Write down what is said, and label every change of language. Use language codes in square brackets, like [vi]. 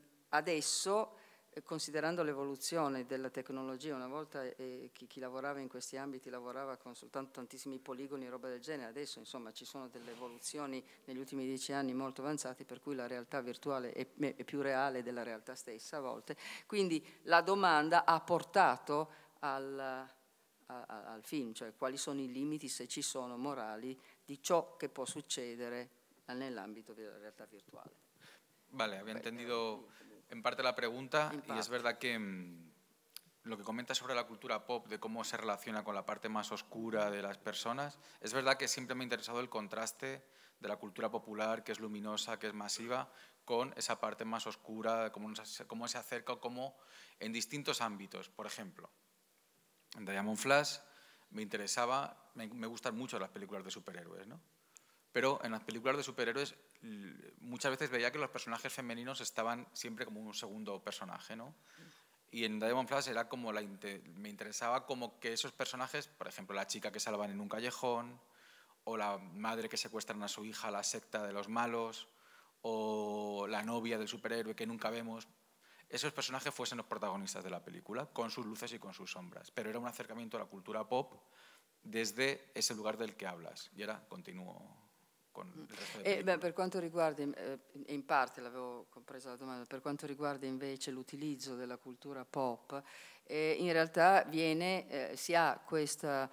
[it] adesso, considerando l'evoluzione della tecnologia, una volta chi lavorava in questi ambiti lavorava con soltanto tantissimi poligoni e roba del genere, adesso insomma ci sono delle evoluzioni negli ultimi 10 anni molto avanzate, per cui la realtà virtuale è più reale della realtà stessa a volte, quindi la domanda ha portato al film, cioè quali sono i limiti, se ci sono, morali, di ciò che può succedere nell'ambito della realtà virtuale. [es] Vale, [it] abbiamo [es] entendido en parte la pregunta, y es verdad que lo que comentas sobre la cultura pop, de cómo se relaciona con la parte más oscura de las personas, es verdad que siempre me ha interesado el contraste de la cultura popular, que es luminosa, que es masiva, con esa parte más oscura, cómo se acerca, cómo en distintos ámbitos. Por ejemplo, en Diamond Flash me gustan mucho las películas de superhéroes, ¿no? Pero en las películas de superhéroes muchas veces veía que los personajes femeninos estaban siempre como un segundo personaje, ¿no? Y en Diamond Flash era como me interesaba como que esos personajes, por ejemplo, la chica que salvan en un callejón, o la madre que secuestran a su hija a la secta de los malos, o la novia del superhéroe que nunca vemos, esos personajes fuesen los protagonistas de la película, con sus luces y con sus sombras. Pero era un acercamiento a la cultura pop desde ese lugar del que hablas. Y ahora continúo. [it] Per quanto riguarda, in parte l'avevo compresa la domanda, per quanto riguarda invece l'utilizzo della cultura pop, in realtà si ha questo